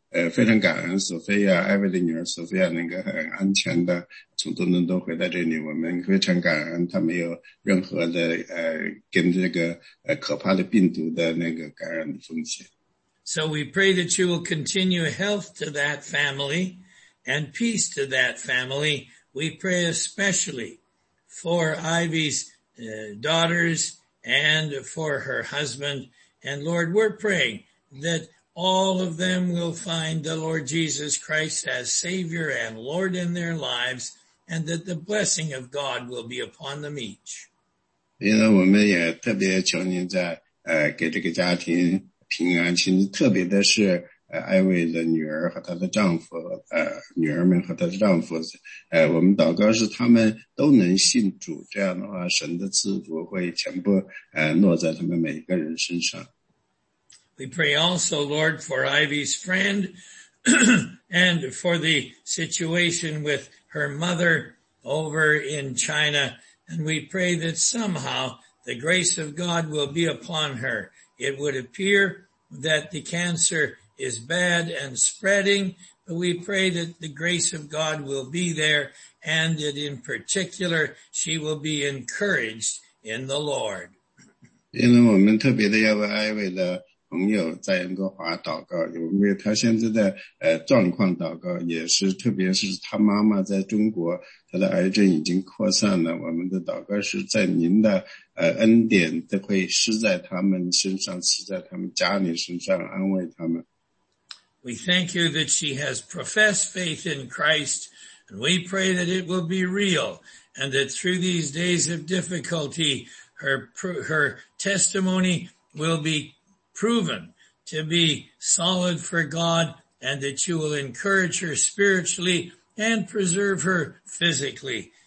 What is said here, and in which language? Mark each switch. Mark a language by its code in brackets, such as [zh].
[zh] 非常感恩索菲亚，艾薇的女儿索菲亚能够很安全的从多伦多回到这里，我们非常感恩她没有任何的跟这个可怕的病毒的那个感染的风险。 [en] So we pray that you will continue health to that family and peace to that family. We pray especially for Ivy's daughters and for her husband. And Lord, we're praying that all of them will find the Lord Jesus Christ as Savior and Lord in their lives, and that the blessing of God will be upon them each. [zh] 因为我们也特别求您在给这个家庭平安，请您特别的是艾薇的女儿和她的丈夫，女儿们和她的丈夫，我们祷告是他们都能信主，这样的话，神的赐福会全部落在他们每个人身上。 [en] We pray also, Lord, for Ivy's friend and for the situation with her mother over in China. And we pray that somehow the grace of God will be upon her. It would appear that the cancer is bad and spreading, but we pray that the grace of God will be there and that in particular she will be encouraged in the Lord. [zh] 因为我们特别的要为艾薇的朋友在英国华祷告，因为他现在的状况祷告，也是特别是他妈妈在中国，他的癌症已经扩散了。我们的祷告是在您的恩典都会施在他们身上，施在他们家里身上，安慰他们。 [en] We thank you that she has professed faith in Christ, and we pray that it will be real, and that through these days of difficulty, her testimony will be proven to be solid for God, and that you will encourage her spiritually and preserve her physically.